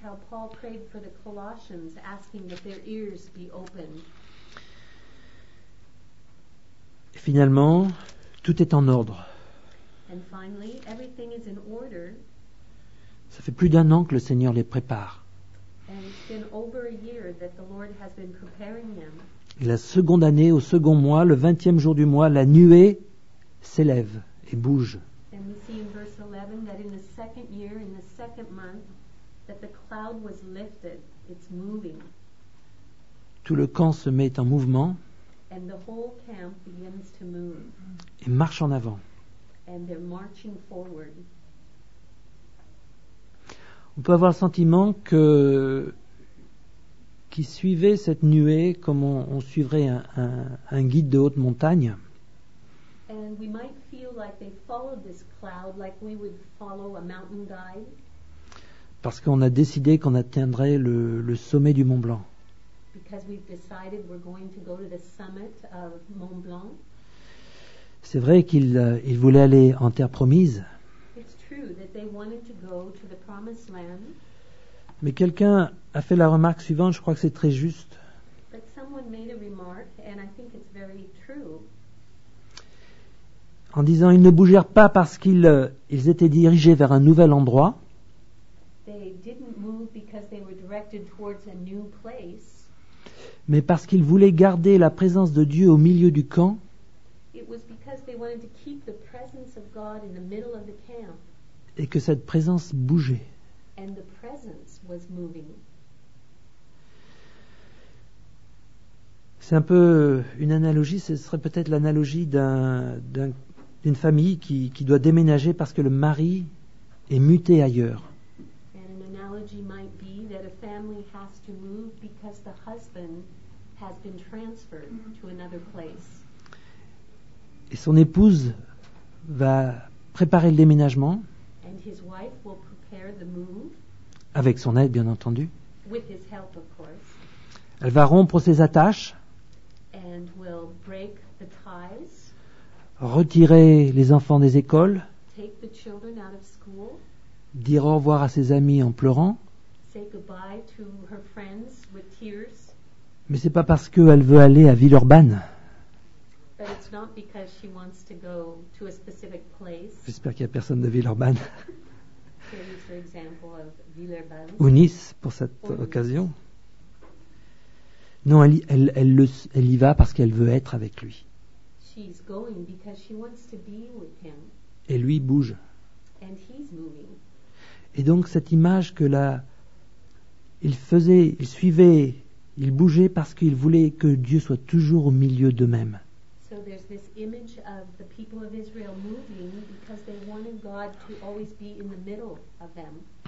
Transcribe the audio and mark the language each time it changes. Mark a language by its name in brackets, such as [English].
[English] Paul prayed for the Colossians, asking that their ears be open. [French] Finalement, tout est en ordre. [English] And finally, everything is in order. [French] Ça fait plus d'un an que le Seigneur les prépare. [English] And it's been over a year that the Lord has been preparing them. [French] La seconde année, au second mois, le 20e jour du mois, la nuée s'élève et bouge. [English] And we see in verse 11 that in the second year, in the second month, that the cloud was lifted, it's moving. [French] Tout le camp se met en mouvement. [English] And the whole camp begins to move. [French] Et marche en avant. [English] And they're marching forward. [French] On peut avoir le sentiment que qui suivait cette nuée comme on suivrait un guide de haute montagne. [English] And we might feel like they followed this cloud like we would follow a mountain guide. [French] Parce qu'on a décidé qu'on atteindrait le sommet du Mont Blanc. [English] Because we've decided we're going to go to the summit of Mont Blanc. [French] C'est vrai qu'ils voulaient aller en terre promise. [English] It's true that they wanted to go to the promised land. [French] Mais quelqu'un a fait la remarque suivante, je crois que c'est très juste. [English] But someone made a remark, and I think it's very true. [French] En disant ils ne bougèrent pas parce qu'ils étaient dirigés vers un nouvel endroit. [English] They didn't move because they were directed towards a new place. [French] Mais parce qu'ils voulaient garder la présence de Dieu au milieu du camp. [English] It was because they wanted to keep the presence of God in the middle of the camp. [French] Et que cette présence bougeait. [English] And the presence was moving. [French] C'est un peu une analogie, ce serait peut-être l'analogie d'une famille qui doit déménager parce que le mari est muté ailleurs. [English] Might be that a family has to move because the husband has been transferred to another place. [French] Et son épouse va préparer le déménagement. [English] And his wife will prepare the move. [French] Avec son aide, bien entendu. [English] With his help, of course. [French] Elle va rompre ses attaches. [English] And will break the ties. [French] Retirer les enfants des écoles. [English] Take the children out of school. [French] Dire au revoir à ses amis en pleurant. [English] Say goodbye to her friends with tears. [French] Mais ce n'est pas parce qu'elle veut aller à Villeurbanne. [English] But it's not because she wants to go to a specific place. [French] J'espère qu'il n'y a personne de Villeurbanne. [English] Here is your example of Villeurbanne. [French] Ou Nice pour cette [English] Or [French] occasion. Nice. Non, elle y va parce qu'elle veut être avec lui. [English] She's going because she wants to be with him. [French] Et lui bouge. [English] And he's moving. [French] Et donc cette image que là, il faisait, il suivait, il bougeait parce qu'il voulait que Dieu soit toujours au milieu d'eux-mêmes. [English] So there's this image of the people of Israel moving because they wanted God to always be in the middle of them.